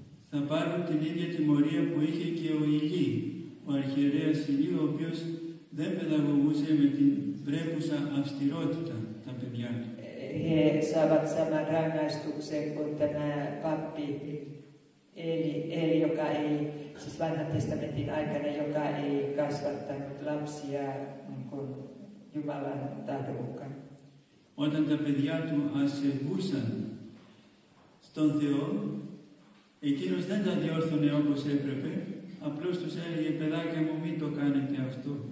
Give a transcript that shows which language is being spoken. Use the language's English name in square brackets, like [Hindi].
[Greek] Θα πάρουν την ίδια τιμωρία που είχε και ο Ηλί, ο αρχιερέας Ηλί, ο οποίος δεν παιδαγωγούσε με την πρέπουσα αυστηρότητα τα παιδιά του. [Finnish] He saavat saman rangaistuksen kuin tämä pappi Eli joka ei, siis vanhan testamentin aikana, joka ei kasvattanut lapsia niin kuin Jumalan tahdon mukaan. [Greek] Όταν τα παιδιά του ασεβούσαν στον Θεό, εκείνος δεν τα διόρθωνε όπως έπρεπε, απλώς τους έλεγε, παιδάκια μου, μην το κάνετε αυτό.